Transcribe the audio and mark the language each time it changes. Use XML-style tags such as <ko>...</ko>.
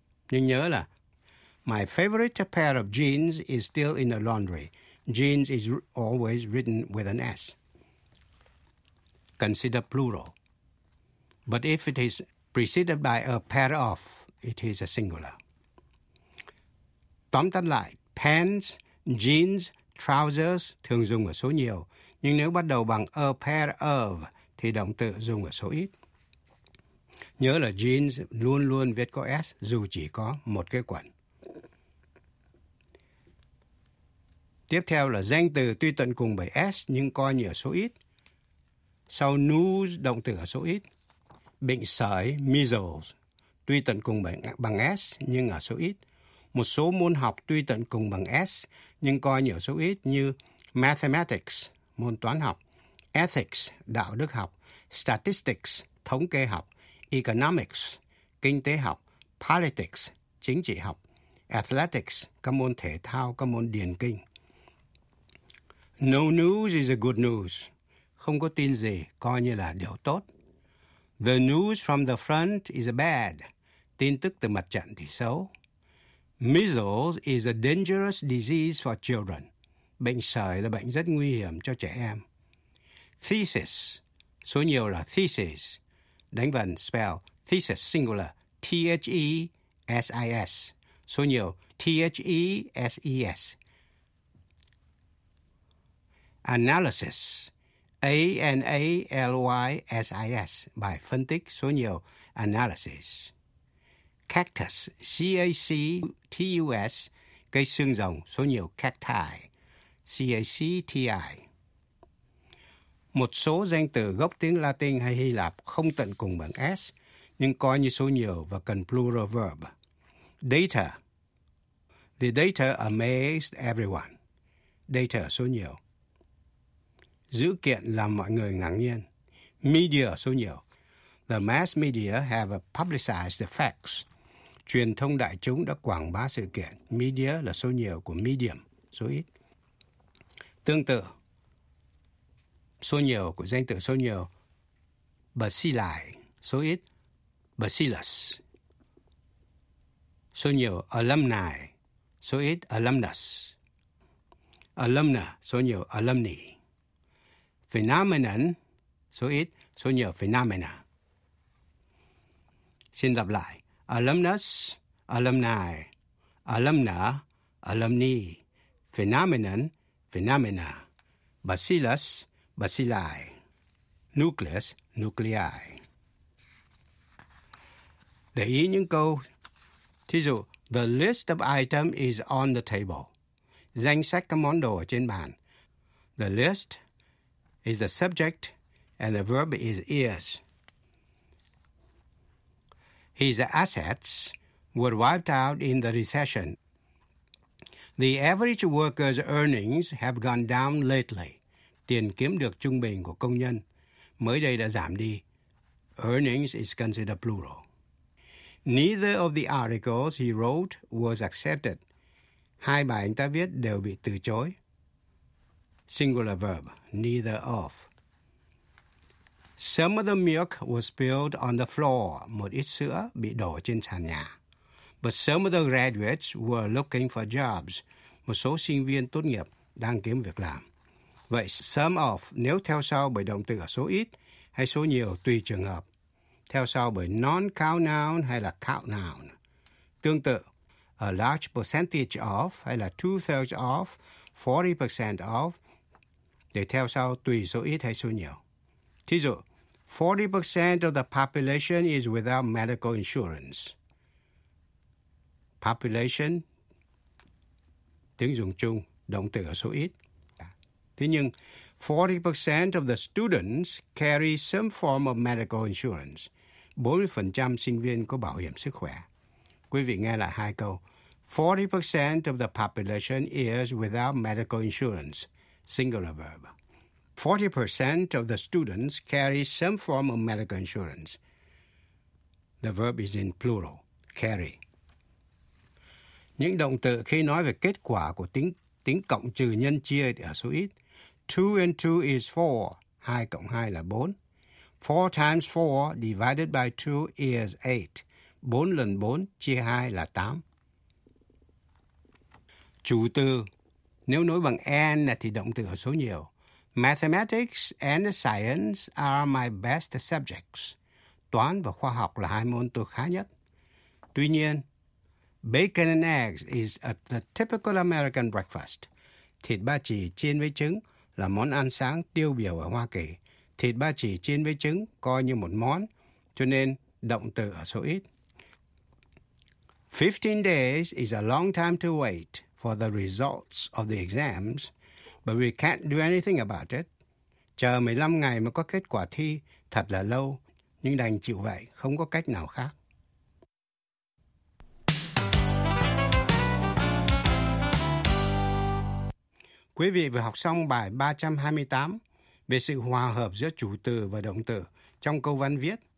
<vi>Nhưng nhớ là</vi> <en>my favorite pair of jeans is still in the laundry. Jeans is always written with an S. Consider plural. But if it is preceded by a pair of, it is a singular.</en> <vi>Tóm tắt lại, pants, jeans, trousers thường dùng ở số nhiều. Nhưng nếu bắt đầu bằng a pair of thì động từ dùng ở số ít. Nhớ là jeans luôn luôn viết có S dù chỉ có một cái quần. Tiếp theo là danh từ tuy tận cùng bởi S nhưng coi như ở số ít. Sau news động từ ở số ít. Bệnh sởi measles tuy tận cùng bằng S nhưng ở số ít. Một số môn học tuy tận cùng bằng S nhưng coi như ở số ít như mathematics. Môn toán học, ethics, đạo đức học, statistics, thống kê học, economics, kinh tế học, politics, chính trị học, athletics, các môn thể thao, các môn điền kinh.</vi> <en>No news is a good news.</en> <vi>Không có tin gì, coi như là điều tốt.</vi> <en>The news from the front is bad.</en> <vi>Tin tức từ mặt trận thì xấu.</vi> <en>Measles is a dangerous disease for children.</en> <vi>Bệnh sởi là bệnh rất nguy hiểm cho trẻ em. Thesis, số nhiều là thesis. Đánh vần spell thesis singular, T-H-E-S-I-S. Số nhiều, T-H-E-S-E-S.</vi> <en>Analysis, A-N-A-L-Y-S-I-S.</en> <vi>Bài phân tích, số nhiều, analysis. Cactus, C-A-C-T-U-S. Cây xương rồng, số nhiều, cacti. C-A-C-T-I. Một số danh từ gốc tiếng Latin hay Hy Lạp không tận cùng bằng S, nhưng coi như số nhiều và cần plural verb.</vi> <en>Data. The data amazed everyone.</en> <vi>Data số nhiều. Dữ kiện làm mọi người ngạc nhiên. Media số nhiều.</vi> <en>The mass media have publicized the facts.</en> <vi>Truyền thông đại chúng đã quảng bá sự kiện. Media là số nhiều của medium, số ít. Tương tự, số nhiều của danh từ số nhiều bacilli, số ít bacillus. Số nhiều alumni, số ít alumnus. Alumna, số nhiều alumni. Phenomenon, số ít, số nhiều phenomena. Xin lặp lại. Alumnus, alumni. Alumna, alumni.</vi> <en>Phenomenon, phenomena. Bacillus, bacilli. Nucleus, nuclei.</en> <vi>Để ý những câu. Thí dụ,</vi> <en>the list of items is on the table.</en> <vi>Danh sách các món đồ ở trên bàn.</vi> <en>The list is the subject and the verb is is. His assets were wiped out in the recession. The average worker's earnings have gone down lately.</en> <vi>Tiền kiếm được trung bình của công nhân mới đây đã giảm đi.</vi> <en>Earnings is considered plural. Neither of the articles he wrote was accepted.</en> <vi>Hai bài anh ta viết đều bị từ chối.</vi> <en>Singular verb, neither of. Some of the milk was spilled on the floor.</en> <vi>Một ít sữa bị đổ trên sàn nhà.</vi> <en>But some of the graduates were looking for jobs.</en> <vi>Một số sinh viên tốt nghiệp đang kiếm việc làm. Vậy some of, nếu theo sau bởi động từ ở số ít hay số nhiều tùy trường hợp. Theo sau bởi non-count noun hay là count noun. Tương tự, a large percentage of hay là two-thirds of, 40% of, để theo sau tùy số ít hay số nhiều. Thí dụ,</vi> <en>40% of the population is without medical insurance.</en> <vi>Population, tiếng dùng chung, động từ ở số ít. Thế nhưng,</vi> <en>40% of the students carry some form of medical insurance.</en> <vi>40% sinh viên có bảo hiểm sức khỏe. Quý vị nghe lại hai câu.</vi> <en>40% of the population is without medical insurance. Singular verb. 40% of the students carry some form of medical insurance. The verb is in plural. Carry.</en> <vi>Những động từ khi nói về kết quả của tính cộng trừ nhân chia ở số ít.</vi> <en>2 and 2 is 4.</en> <vi>2 cộng 2 là 4.</vi> <en>4 times 4 divided by 2 is 8.</en> <vi>4 lần 4 chia 2 là 8. Chủ từ, nếu nối bằng and thì động từ ở số nhiều.</vi> <en>Mathematics and science are my best subjects.</en> <vi>Toán và khoa học là hai môn tôi khá nhất. Tuy nhiên,</vi> <en>bacon and eggs is a typical American breakfast.</en> <vi>Thịt ba chỉ chiên với trứng là món ăn sáng tiêu biểu ở Hoa Kỳ. Thịt ba chỉ chiên với trứng coi như một món, cho nên động từ ở số ít.</vi> <en>15 days is a long time to wait for the results of the exams, but we can't do anything about it.</en> <vi>Chờ 15 ngày mới có kết quả thi, thật là lâu, nhưng đành chịu vậy, không có cách nào khác. Quý vị vừa học xong bài 328 về sự hòa hợp giữa chủ từ và động từ trong câu văn viết.</vi>